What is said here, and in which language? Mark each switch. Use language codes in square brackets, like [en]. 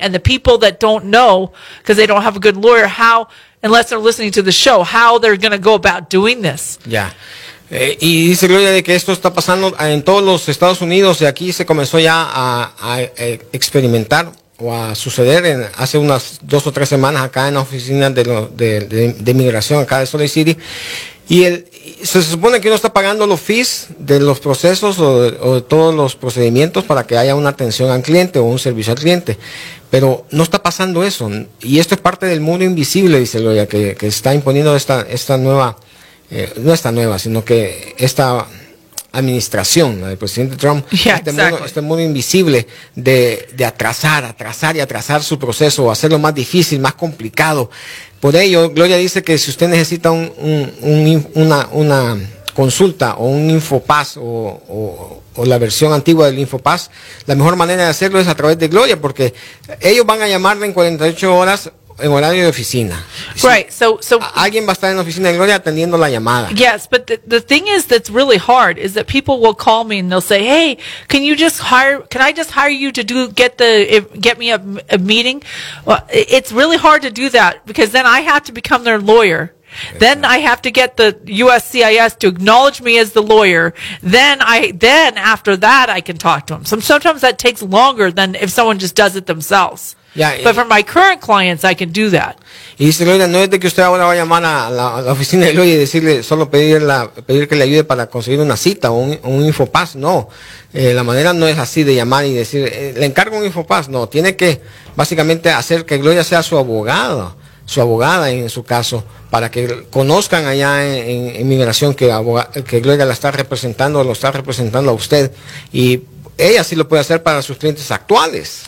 [en] And the people that don't know, because they don't have a good lawyer, how, unless they're listening to the show, how they're going to go about doing this. Yeah. [es] Y dice Gloria de que esto está pasando en todos los Estados Unidos, y aquí se comenzó ya a experimentar o a suceder hace unas 2 o 3 semanas acá en la oficina de inmigración acá de Salt Lake City. Y se supone que uno está pagando los fees de los procesos o de todos los procedimientos para que haya una atención al cliente o un servicio al cliente. Pero no está pasando eso. Y esto es parte del mundo invisible, dice Gloria, que está imponiendo esta nueva, no esta nueva, sino que esta administración, la del presidente Trump, este mundo invisible de atrasar su proceso o hacerlo más difícil, más complicado. Por ello, Gloria dice que si usted necesita una consulta o un InfoPass o la versión antigua del InfoPass, la mejor manera de hacerlo es a través de Gloria, porque ellos van a llamarle en 48 horas en horario de oficina. [en] Right. So [es] alguien va a estar en la oficina de Gloria atendiendo la llamada. [en] Yes, but the thing is that's really hard is that people will call me and they'll say, "Hey, can I just hire you to get me a meeting?" Well, it's really hard to do that because then I have to become their lawyer. Then I have to get the USCIS to acknowledge me as the lawyer. Then after that, I can talk to them. So sometimes that takes longer than if someone just does it themselves. Yeah, but for my current clients, I can do that. [es] Y dice Gloria, no es de que usted ahora va a llamar a la oficina de Gloria y decirle, solo pedir que le ayude para conseguir una cita o un InfoPass. No, la manera no es así de llamar y decir, le encargo un InfoPass. No, tiene que básicamente hacer que Gloria sea su abogada en su caso, para que conozcan allá en inmigración que Gloria lo está representando a usted, y ella sí lo puede hacer para sus clientes actuales.